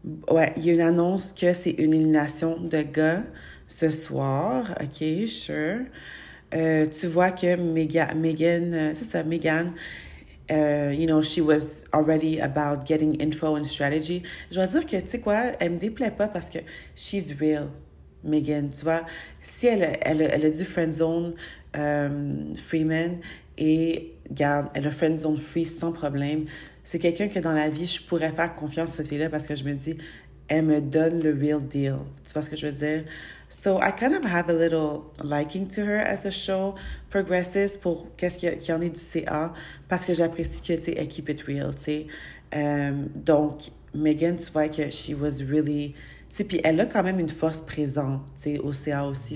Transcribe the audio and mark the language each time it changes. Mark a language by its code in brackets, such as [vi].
[fr] Ouais, il y a une annonce que c'est une élimination de gars ce soir. [en] OK, sure. [fr] Tu vois que [en] Megan, [fr] c'est ça, [en] Megan, she was already about getting info and strategy. [fr] Je dois dire que, tu sais quoi, elle me déplaît pas parce que [en] she's real, [fr] Megan. Tu vois, si elle a du friendzone Freeman et garde, elle a friendzone free sans problème. C'est quelqu'un que dans la vie, je pourrais faire confiance à cette fille-là parce que je me dis, elle me donne le real deal. Tu vois ce que je veux dire? [en] So I kind of have a little liking to her as the show progresses [fr] pour qu'est-ce qu'il y en ait du CA parce que j'apprécie que tu sais, [en] elle keep it real, tu sais. [fr] Donc, Megan, tu vois que [en] she was really. [fr] Tu sais, puis elle a quand même une force présente, tu sais, au CA aussi.